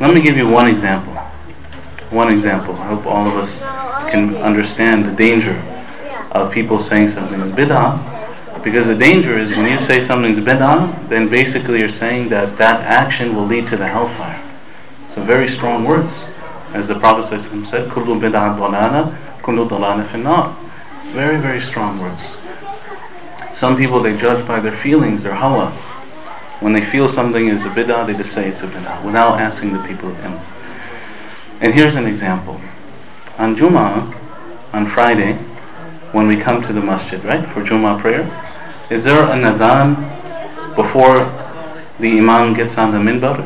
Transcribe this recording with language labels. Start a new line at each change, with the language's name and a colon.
English: Let me give you one example. One example. I hope all of us can understand the danger of people saying something is bid'ah. Because the danger is when you say something's bid'ah, then basically you're saying that that action will lead to the hellfire. So very strong words. As the Prophet said,
Arabic: كُلُّ بِدْعَةٍ ضَلَالَةٍ كُلُّ ضَلَالَةٍ فِي النَّارِ.
English: Very, very strong words. Some people, they judge by their feelings, their hawa. When they feel something is a bid'ah, they just say it's a bid'ah, without asking the people of him. And here's an example. On Jummah, on Friday, when we come to the masjid, right, for Jummah prayer, is there an adhan before the imam gets on the minbar?